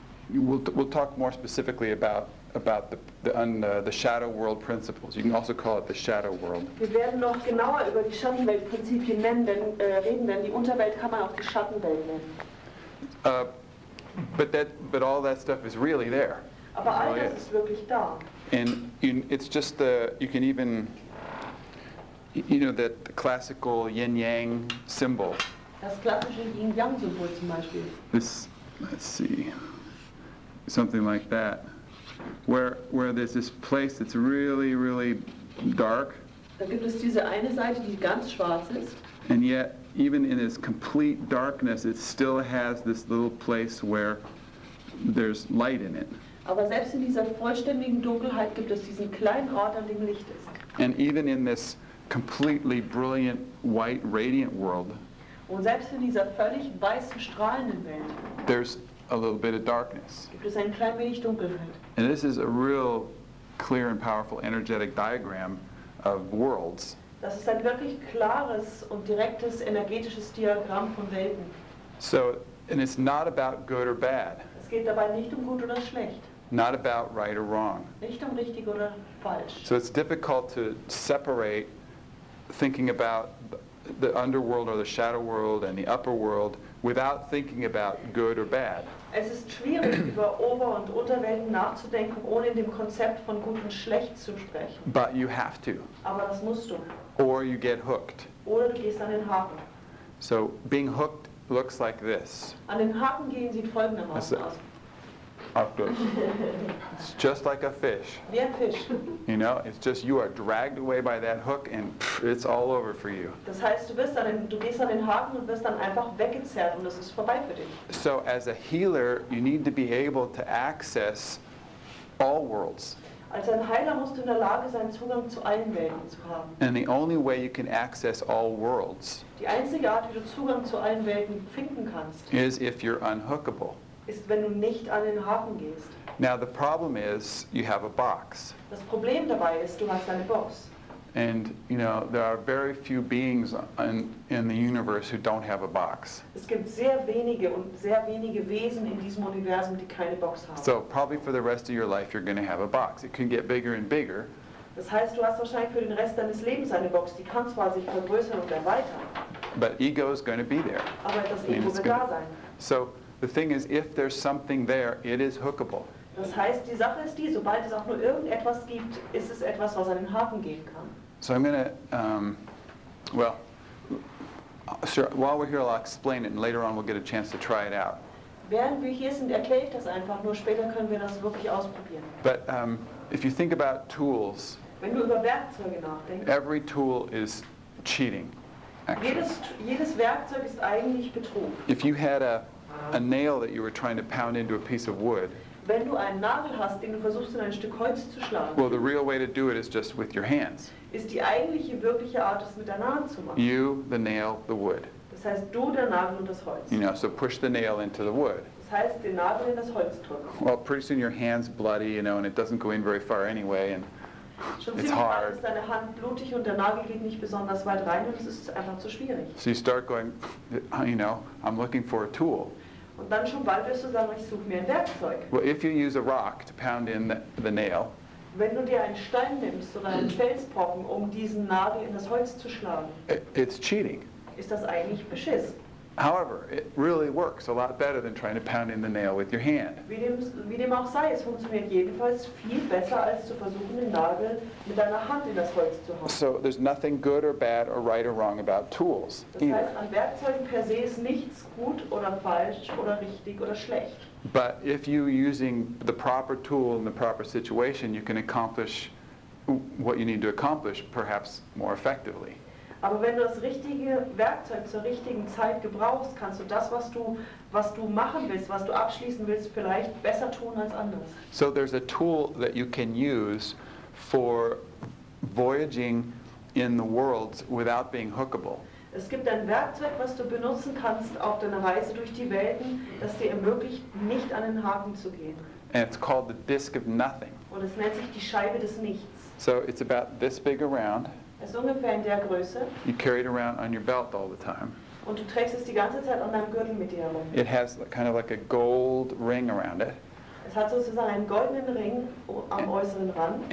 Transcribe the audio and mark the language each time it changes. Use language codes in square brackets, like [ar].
[en] We'll talk more specifically about the shadow world principles. You can also call it the shadow world. [de] Wir werden noch genauer über die Schattenweltprinzipien reden, denn die Unterwelt kann man auch die Schattenwelt nennen. [en] But all that stuff is really there. [de] Aber all das ist wirklich da. [en] And it's just the you can even you know that the classical yin yang symbol. [de] Das klassische Yin Yang Symbol zum Beispiel. [en] This, let's see. Something like that, where there's this place that's really, really dark. [de] Da gibt es diese eine Seite, die ganz schwarz ist. [en] And yet, even in its complete darkness, it still has this little place where there's light in it. [de] Aber selbst in dieser vollständigen Dunkelheit gibt es diesen kleinen Ort, an dem Licht ist. [en] And even in this completely brilliant, white, radiant world. [de] Und selbst in dieser völlig weißen, strahlenden Welt. [en] There's a little bit of darkness. [de] Gibt es ein klein wenig Dunkelheit. [en] And this is a real clear and powerful energetic diagram of worlds. [de] Das ist ein wirklich klares und direktes energetisches Diagramm von Welten. [en] So, and it's not about good or bad. [de] Es geht dabei nicht um gut oder schlecht. [en] Not about right or wrong. [de] Nicht um richtig oder falsch. [en] So it's difficult to separate thinking about the underworld or the shadow world and the upper world without thinking about good or bad. [de] Es ist schwierig, über Ober- und Unterwelten nachzudenken, ohne in dem Konzept von gut und schlecht zu sprechen. [en] But you have to. [de] Aber das musst du. [en] Or you get hooked. [de] Oder du gehst an den Haken. [en] So being hooked looks like this. [de] An den Haken gehen sieht folgendermaßen aus. [en] It's just like a fish. [de] Wie ein Fisch. [en] You know, it's just you are dragged away by that hook and it's all over for you. [de] Das heißt, du gehst an den Haken und wirst dann einfach weggezerrt und es ist vorbei für dich. [en] So as a healer, you need to be able to access all worlds. [de] Als ein Heiler musst du in der Lage sein, Zugang zu allen Welten zu haben. [en] And the only way you can access all worlds. [de] Die einzige Art, wie du Zugang zu allen Welten finden kannst, [en] is if you're unhookable. [de] Ist, wenn du nicht an den Haken gehst. [en] Now the problem is you have a box. [de] Das Problem dabei ist, du hast eine Box. [en] And you know there are very few beings in the universe who don't have a box. [de] Es gibt sehr wenige Wesen in diesem Universum, die keine Box haben. [en] So probably for the rest of your life you're going to have a box. It can get bigger and bigger. [de] Das heißt, du hast wahrscheinlich für den Rest deines Lebens eine Box, die kann zwar sich vergrößern und erweitern. [en] But ego is going to be there. [de] Aber das Ego wird da sein. [en] So the thing is, if there's something there, it is hookable. [de] Das heißt, die Sache ist die, sobald es auch nur irgendetwas gibt, ist es etwas, was an den Haken gehen kann. [en] So I'm going to, sure, while we're here, I'll explain it, and later on we'll get a chance to try it out. [de] Während wir hier sind, erkläre ich das einfach, nur später können wir das wirklich ausprobieren. [en] But if you think about tools, [de] wenn du über Werkzeuge nachdenkst, [en] every tool is cheating. [de] Jedes Werkzeug ist eigentlich Betrug. [en] If you had a nail that you were trying to pound into a piece of wood. [de] Wenn du einen Nagel hast, den du versuchst in ein Stück Holz zu schlagen. [en] Well, the real way to do it is just with your hands. [de] Ist die eigentliche wirkliche Art, es mit deiner Hand zu machen. [en] You, the nail, the wood. [de] Das heißt, du, der Nagel und das Holz. [en] You know, so push the nail into the wood. [de] Das heißt, den Nagel in das Holz drücken. [en] Well, pretty soon your hand's bloody, you know, and it doesn't go in very far anyway, and [de] schon ziemlich bald ist deine Hand blutig und der Nagel geht nicht besonders weit rein und es ist einfach zu schwierig. [en] So you start going, you know, I'm looking for a tool. [de] Und dann schon bald wirst du sagen, ich suche mir ein Werkzeug. [en] Well, if you use a rock to pound in the nail. [de] Wenn du dir einen Stein nimmst oder einen Felsbrocken, um diesen Nagel in das Holz zu schlagen. [en] It's cheating. [de] Ist das eigentlich beschiss? [en] However, it really works a lot better than trying to pound in the nail with your hand. [de] Wie dem auch sei, es funktioniert jedenfalls viel besser als zu versuchen, den Nagel mit deiner Hand in das Holz zu hauen. [en] So there's nothing good or bad or right or wrong about tools. [de] Das heißt, an Werkzeugen per se ist nichts gut oder falsch oder richtig oder schlecht. [en] But if you using the proper tool in the proper situation, you can accomplish what you need to accomplish, perhaps more effectively. [de] Aber wenn du das richtige Werkzeug zur richtigen Zeit gebrauchst, kannst du das, was du machen willst, was du abschließen willst, vielleicht besser tun als anders. [en] So there's a tool that you can use for voyaging in the worlds without being hookable. [de] Es gibt ein Werkzeug, was du benutzen kannst auf deiner Reise durch die Welten, das dir ermöglicht, nicht an den Haken zu gehen. [en] And it's called the disk of nothing. [de] Und es nennt sich die Scheibe des Nichts. [en] So it's about this big around. [de] Es ist ungefähr in der Größe. [en] You carry it around on your belt all the time. [de] Und du trägst es die ganze Zeit an deinem Gürtel mit dir herum. [en] It has kind of like a gold ring around it. [de] Es hat sozusagen einen goldenen Ring am äußeren Rand.